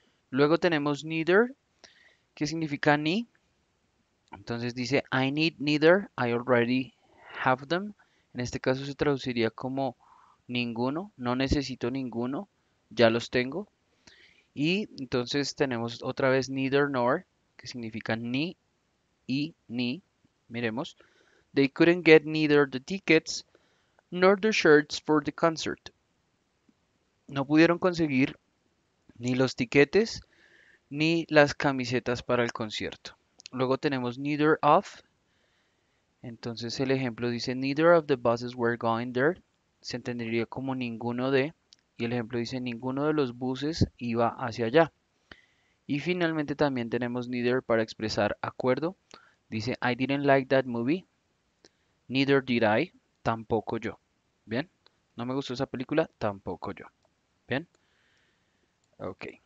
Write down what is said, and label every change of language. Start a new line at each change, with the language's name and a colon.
Spanish: Luego tenemos neither, que significa ni. Entonces dice,
English: I need neither, I already have them.
Spanish: En este caso se traduciría como ninguno, no necesito ninguno, ya los tengo. Y entonces tenemos otra vez neither nor, que significa ni y ni.
English: Miremos, they couldn't get neither the tickets nor the shirts for the concert.
Spanish: No pudieron conseguir ni los tiquetes ni las camisetas para el concierto. Luego tenemos neither of. Entonces el ejemplo dice
English: neither of the buses were going there.
Spanish: Se entendería como ninguno de. Y el ejemplo dice ninguno de los buses iba hacia allá. Y finalmente también tenemos neither para expresar acuerdo. Dice
English: I didn't like that movie. Neither did I.
Spanish: Tampoco yo. ¿Bien? No me gustó esa película. Tampoco yo. ¿Bien? Ok.